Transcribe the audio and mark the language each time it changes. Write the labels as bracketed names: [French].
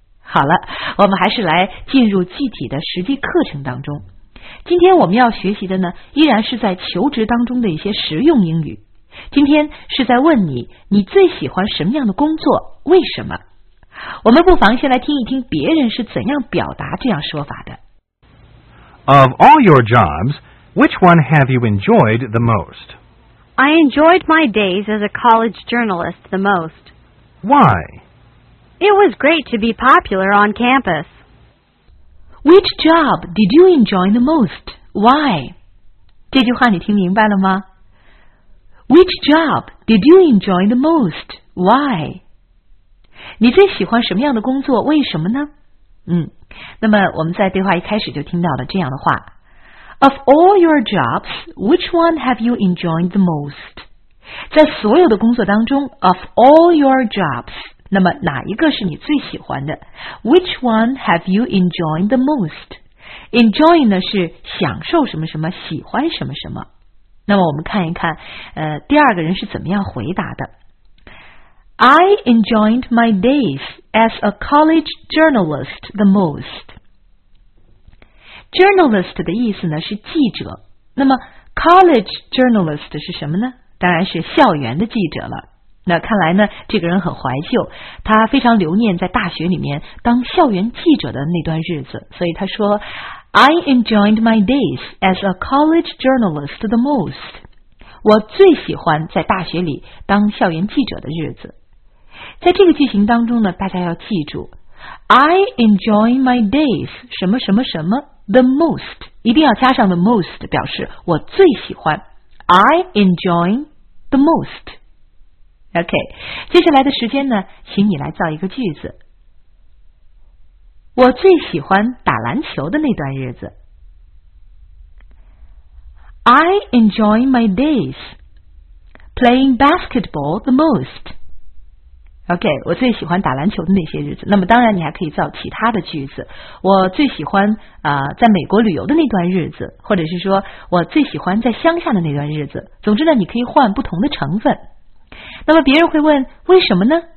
[Chinese] 好了，我们还是来进入具体的实际课程当中。今天我们要学习的呢，依然是在求职当中的一些实用英语。今天是在问你，你最喜欢什么样的工作？为什么？我们不妨先来听一听别人是怎样表达这样说法的。 [English] Of all your jobs, which one have you enjoyed the most? I enjoyed my days as a college journalist the most. Why? It was great to be popular on campus. Which job did you enjoy the most? Why? [Chinese] 这句话你听明白了吗？ [English] Which job did you enjoy the most? Why? [Chinese] 你最喜欢什么样的工作？为什么呢？那么我们在对话一开始就听到了这样的话。 [English] Of all your jobs, which one have you enjoyed the most? [Chinese] 在所有的工作当中 , [English] of all your jobs, [Chinese] 那么哪一个是你最喜欢的 ? [English] Which one have you enjoyed the most? [Chinese] Enjoy 呢是享受什么什么，喜欢什么什么。那么我们看一看第二个人是怎么样回答的。 [English] I enjoyed my days as a college journalist the most. [Chinese] Journalist 的意思呢是记者。那么 college journalist 是什么呢？当然是校园的记者了。那看来呢这个人很怀旧，他非常留念在大学里面当校园记者的那段日子，所以他说 [English] I enjoyed my days as a college journalist the most. [Chinese] 我最喜欢在大学里当校园记者的日子。在这个句型当中呢，大家要记住 [English] I enjoy my days [Chinese] 什么什么什么 [English] the most， [Chinese] 一定要加上 the most 表示我最喜欢。 [English] I enjoy the most. [Chinese] OK， 接下来的时间呢，请你来造一个句子。我最喜欢打篮球的那段日子。 [English] I enjoy my days playing basketball the most. [Chinese] OK， 我最喜欢打篮球的那些日子。那么当然你还可以造其他的句子，我最喜欢在美国旅游的那段日子，或者是说我最喜欢在乡下的那段日子。总之呢，你可以换不同的成分。那么别人会问为什么呢？